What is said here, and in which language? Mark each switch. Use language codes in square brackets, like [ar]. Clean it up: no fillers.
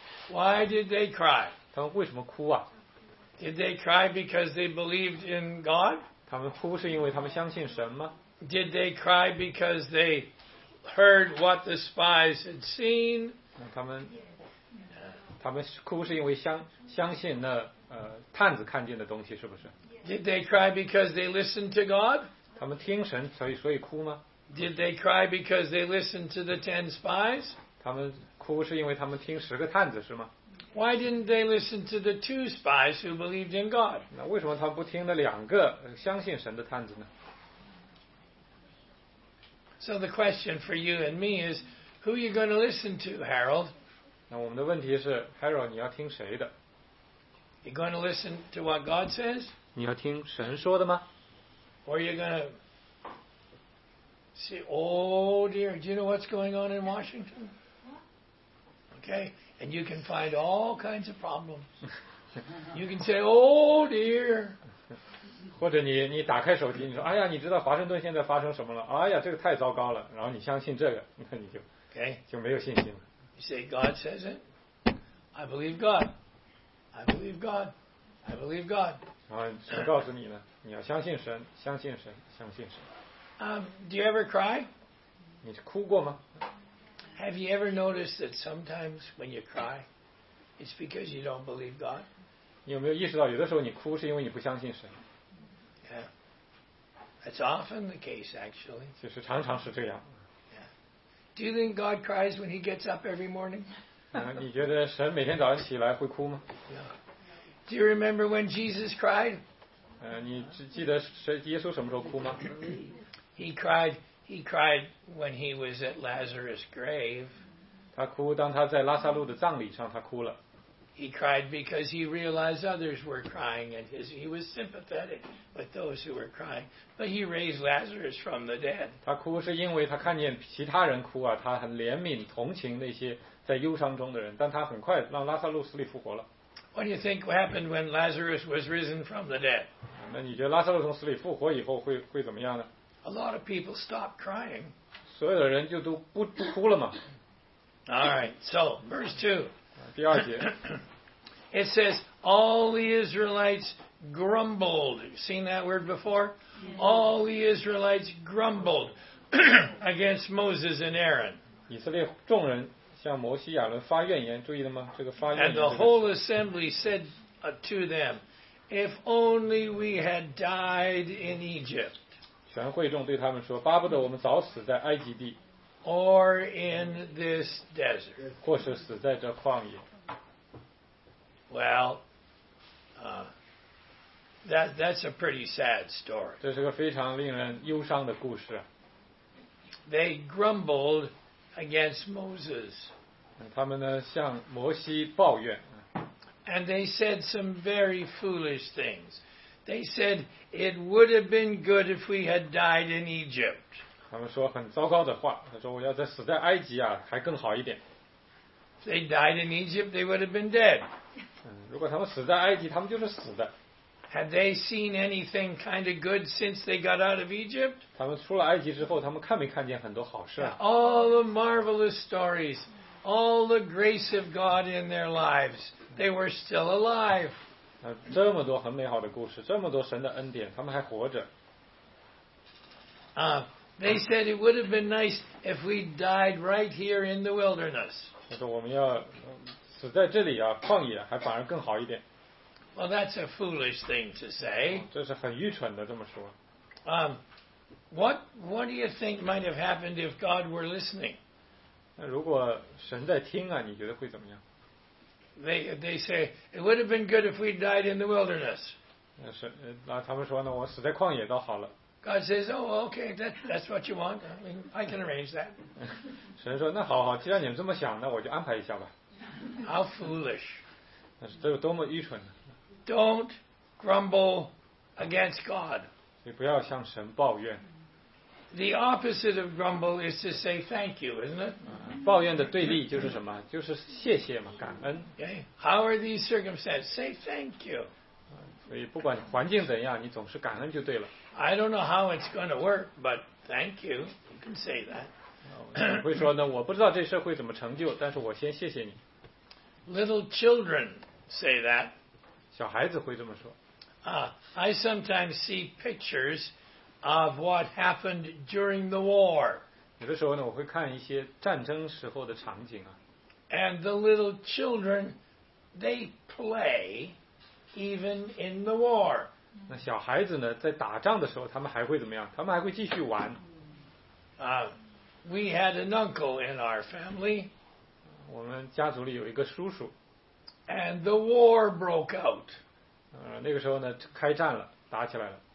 [en] Why did they cry? [zh] 他们为什么哭啊？ [en] Did they cry because they believed in God? [zh] 他们哭是因为他们相信神吗？ [en] Did they cry because they heard what the spies had seen? [zh] 他们哭是因为相信那探子看见的东西是不是？ [en] Did they cry because they listened to God? [zh] 他们听神所以哭吗？ [en] Did they cry because they listened to the 10 spies? [zh] 他们哭是因为他们听十个探子是吗？ [en] Why didn't they listen to the 2 spies who believed in God? [zh] 那为什么他不听那两个相信神的探子呢？ [en] So the question for you and me is, who are you going to listen to, Harold? [zh] 那我们的问题是 ，Harold， 你要听谁的 [en] ？You going to listen to what God says？ [zh] 你要听神说的吗 [en] ？Or you going to see? Oh dear! Do you know what's going on in Washington? Okay, and you can find all kinds of problems. You can say, "Oh dear." [zh] 或者你打开手机，你说，哎呀，你知道华盛顿现在发生什么了？哎呀，这个太糟糕了。然后你相信这个，那你就 okay 就没有信心了。 [en] You say, God says it. I believe God. I believe God. I believe God. [zh] 然后神告诉你呢，你要相信神，相信神，相信神。 [en] Do you ever cry? [zh] 你哭过吗？ [en] Have you ever noticed that sometimes when you cry, it's because you don't believe God? [zh] 你有没有意识到，有的时候你哭是因为你不相信神？ [en] Yeah. That's often the case, actually. [zh] 其实常常是这样。 [en] Do you think God cries when he gets up every morning? [zh] 你觉得神每天早上起来会哭吗？ [en] Do you remember when Jesus cried? [zh] 你记得耶稣什么时候哭吗？ [en] He cried when he was at Lazarus' grave. [zh] 他哭，当他在拉撒路的葬礼上，他哭了。 [en] He cried because he realized others were crying, and he was sympathetic with those who were crying. But he raised Lazarus from the dead. [zh] 他哭是因为他看见其他人哭啊，他很怜悯同情那些在忧伤中的人，但他很快让拉撒路死里复活了。 [en] What do you think happened when Lazarus was risen from the dead? [zh] 那你觉得拉撒路从死里复活以后会怎么样呢？ [en] A lot of people stopped crying. [zh] 所有的人就都不哭了嘛。 [en] All right, so verse 2. [zh] 第二节。 [en] It says, all the Israelites grumbled. You've seen that word before? Yeah. All the Israelites grumbled against Moses and Aaron. [zh] 以色列众人向摩西亚伦发怨言，注意了吗？这个发怨言。 [en] And the whole assembly said to them, if only we had died in Egypt. [zh] 全会众对他们说，巴不得我们早死在埃及地。 [en] Or in this desert. [zh] 或是死在这旷野。 [en] Well, that's a pretty sad story. [zh] 这是个非常令人忧伤的故事。 [en] They grumbled against Moses. [zh] 他们呢向摩西抱怨。 [en] And they said some very foolish things. They said it would have been good if we had died in Egypt. [zh] 他们说很糟糕的话。他说我要再死在埃及啊，还更好一点。 [en] If they died in Egypt, they would have been dead. [zh] 如果他们死在埃及，他们就是死的。 [en] Had they seen anything kind of good since they got out of Egypt? [zh] 他们出了埃及之后，他们看没看见很多好事？ [en] All the marvelous stories, all the grace of God in their lives, they were still alive. [zh] 这么多很美好的故事，这么多神的恩典，他们还活着。 [en] They said it would have been nice if we died right here in the wilderness. [zh] 他说我们要死在这里啊，旷野还反而更好一点。 [en] Well, that's a foolish thing to say. [zh] 这是很愚蠢的这么说。 [en] What do you think might have happened if God were listening? [zh] 那如果神在听啊，你觉得会怎么样？ [en] They say it would have been good if we died in the wilderness. [zh] 那他们说呢，我死在旷野倒好了。 [en] God says, "Oh, okay, that's what you want. I mean, I can arrange that." [zh] 神说，那好好，既然你们这么想，那我就安排一下吧。 [en] How foolish! [zh] 那是这有多么愚蠢呢 [en] ？Don't grumble against God. [zh] 所以不要向神抱怨。 [en] The opposite of grumble is to say thank you, isn't it? [zh] 抱怨的对立就是什么？就是谢谢嘛，感恩。 [en] Okay. How are these circumstances? Say thank you. [zh] 所以不管环境怎样，你总是感恩就对了。 [en] I don't know how it's going to work, but thank you. You can say that. [zh] 会说呢，我不知道这事会怎么成就，但是我先谢谢你。 [en] Little children say that. [zh] 小孩子会这么说。 [en] I sometimes see pictures of what happened during the war. [zh] 有的时候呢，我会看一些战争时候的场景啊。 [en] And the little children, they play even in the war. [zh] 那小孩子呢，在打仗的时候，他们还会怎么样？他们还会继续玩。 [en] We had an uncle in our family. [zh] 我们家族里有一个叔叔。 [en] And the war broke out. [zh] 那个时候呢，开战了，打起来了。